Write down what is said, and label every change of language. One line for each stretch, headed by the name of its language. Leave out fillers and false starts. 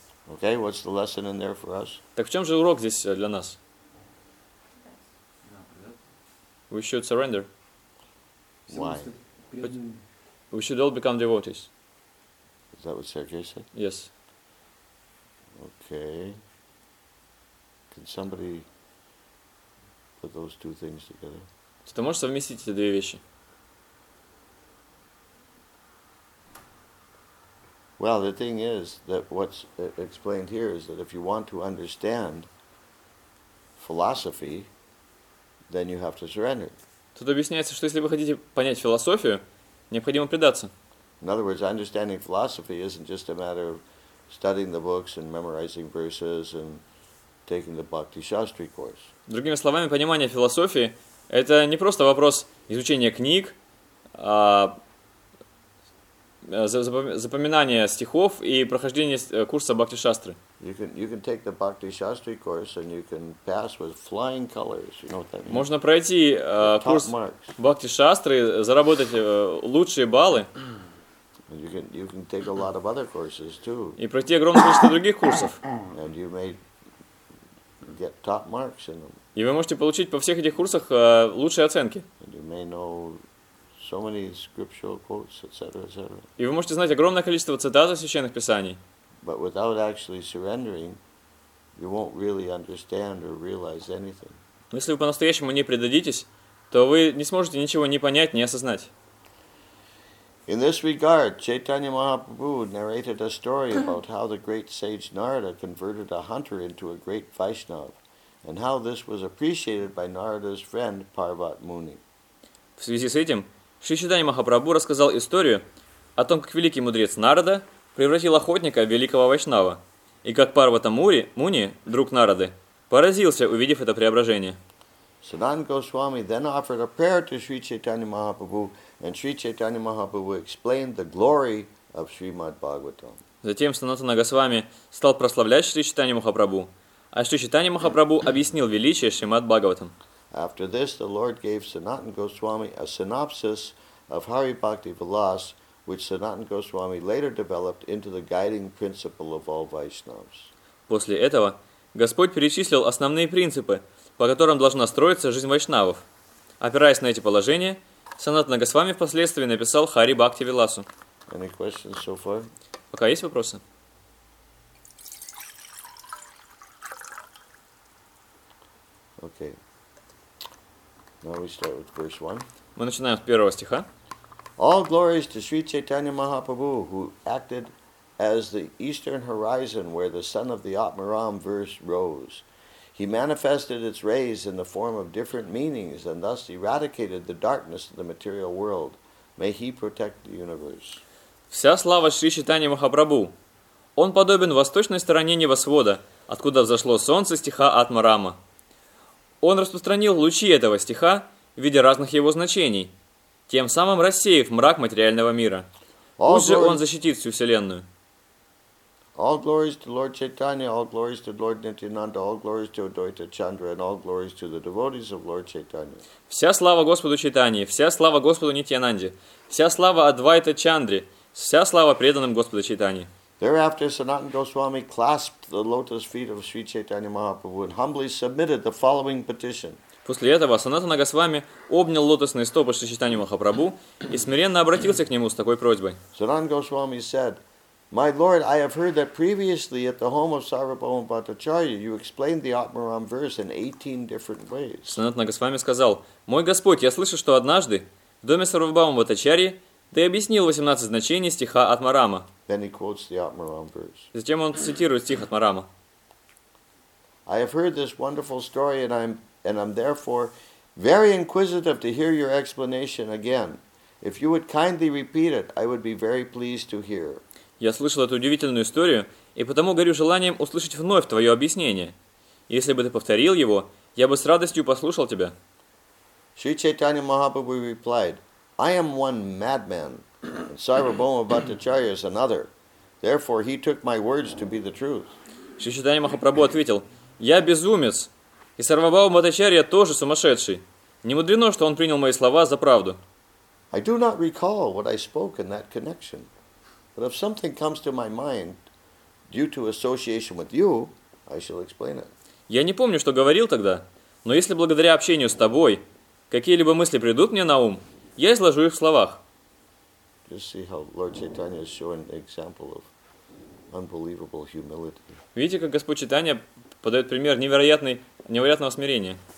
English: Okay, what's the lesson in there for us?
Russian: Так в чем же урок здесь для нас?
English: We should surrender. Why? But we should all become devotees. Is that what Sergei said? Yes. Okay. Can somebody put those two things together?
Russian: Ты можешь совместить эти две вещи?
English: Well, the thing is that what's explained here is that if you want to understand philosophy, then you have to surrender.
Russian: Тут объясняется, что если вы хотите понять философию, необходимо предаться.
English: In other words, understanding philosophy isn't just a matter of studying the books and memorizing verses and taking the Bhakti Shastri course.
Russian: Другими словами, понимание философии – это не просто вопрос изучения книг, а запоминания стихов и прохождения курса Бхакти Шастры.
English: You can take the Bhakti Shastri course and you can pass with flying colors. You know what that means?
Russian: Можно пройти курс Бхакти Шастры, заработать лучшие баллы.
English: You can take a lot of other courses too.
Russian: И пройти огромное количество других курсов.
English: And you may get top marks in them.
Russian: И вы можете получить по всех этих курсах лучшие оценки.
English: And you may know so many scriptural quotes, etc., etc.
Russian: И вы можете знать огромное количество цитат из священных писаний.
English: But without actually surrendering, you won't really understand or realize anything.
Russian: Но если вы по-настоящему не предадитесь, то вы не сможете ничего ни понять, ни осознать.
English: In this regard, Chaitanya Mahaprabhu narrated a story about how the great sage Narada converted a hunter into a great Vaishnav, and how this was appreciated by Narada's friend Parvat Muni.
Russian: В связи с этим, Шри Чайтанья Махапрабху рассказал историю о том, как великий мудрец Нарада превратил охотника в великого Вайшнава, и как Парвата Муни, друг Нарады, поразился, увидев это преображение.
English: Sanatana Goswami then offered a prayer to Sri Chaitanya Mahaprabhu, and Sri Chaitanya Mahaprabhu explained the glory of Srimad Bhagavatam.
Russian: Затем Санатана Госвами стал прославлять Шри Чайтанья Махапрабху, а Шри Чайтанья Махапрабху объяснил величие Шримад Бхагаватам.
English: After this, the Lord gave Sanatana Goswami a synopsis of Hari Bhakti Vilas, which Sanatana Goswami later developed into the guiding principle of all Vaishnavas.
Russian: После этого Господь перечислил основные принципы, по которым должна строиться жизнь вайшнавов. Опираясь на эти положения, Санатана Госвами впоследствии написал Хари Бхакти Виласу.
English: So
Russian: пока есть вопросы?
English: Okay. Now we start with verse 1.
Russian: Мы начинаем с первого стиха.
English: All glories to Sri Chaitanya Mahaprabhu, who acted as the eastern horizon where the sun of the Atmaram verse rose. He manifested its rays in the form of different meanings and thus eradicated the darkness of the material world. May he protect the universe.
Russian: Вся слава Шри Чайтанья Махапрабху. Он подобен восточной стороне небосвода, откуда взошло солнце стиха Атмарама. Он распространил лучи этого стиха в виде разных его значений, тем самым рассеяв мрак материального мира. Пусть же он защитит всю вселенную.
English: All glories to Lord Chaitanya, all glories to Lord Nityananda, all glories to Advaita Chandra, and all glories to the devotees of Lord Chaitanya.
Russian: Вся слава Господу Чайтанье, вся слава Господу Нитьянанде, вся слава Адвайта Чандре, вся слава преданным Господу Чайтанье.
English: Thereafter, Sanatana Goswami clasped the lotus feet of Sri Chaitanya Mahaprabhu and humbly submitted the following petition.
Russian: После этого Санатана Госвами обнял лотосные стопы Шри Чайтанья Махапрабху и смиренно обратился к нему с такой просьбой.
English: Sanatana Goswami said, My Lord, I have heard that previously at the home of Sarvabhauma Bhattacharya you explained the Atmaram verse in 18 different ways.
Russian: Санатана Госвами сказал, «Мой Господь, я слышу, что однажды в доме Сарвабхаума Бхаттачарьи ты объяснил 18 значений стиха Атмарама».
English: Then he quotes the Atmaram verse.
Russian: Затем он цитирует стих Атмарама.
English: I have heard this wonderful story and I'm therefore very inquisitive to hear your explanation again. If you would kindly repeat it, I would be very pleased to hear.
Russian: Я слышал эту удивительную историю, и потому горю желанием услышать вновь твое объяснение. Если бы ты повторил его, я бы с радостью послушал тебя.
English: Шри Чайтанья Махапрабху replied, I am one madman, and Sarvabhauma Bhattacharya is another. Therefore, he took my words to be the truth.
Russian: Шри Чайтанья Махапрабху ответил, Я безумец, и Сарвабхаума Бхаттачарья тоже сумасшедший. Не мудрено, что он принял мои слова за правду.
English: I do not recall what I spoke in that connection. But if something comes to my mind due to association with you, I shall explain it.
Russian: Я не помню, что говорил тогда, но если благодаря общению с тобой какие-либо мысли придут мне на ум, я изложу их в словах.
English: Just see how Lord Chaitanya is showing an example of unbelievable humility.
Russian: Видите, как Господь Чайтанья подает пример невероятного смирения.